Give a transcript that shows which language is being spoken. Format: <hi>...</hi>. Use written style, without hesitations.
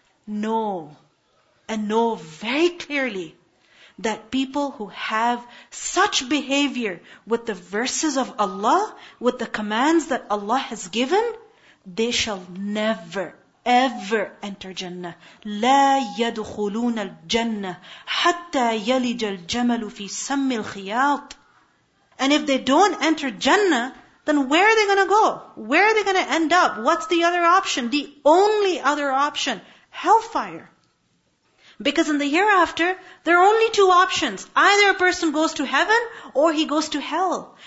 <en>Know, and know very clearly, that people who have such behavior with the verses of Allah, with the commands that Allah has given, they shall never, ever enter Jannah.</en> <ar>لا يدخلون الجنة حتى يلج الجمل في سم الخياط.</ar> <en>And if they don't enter Jannah, then where are they going to go? Where are they going to end up? What's the other option? The only other option, hellfire. Because in the hereafter, there are only two options. Either a person goes to heaven or he goes to hell.</en>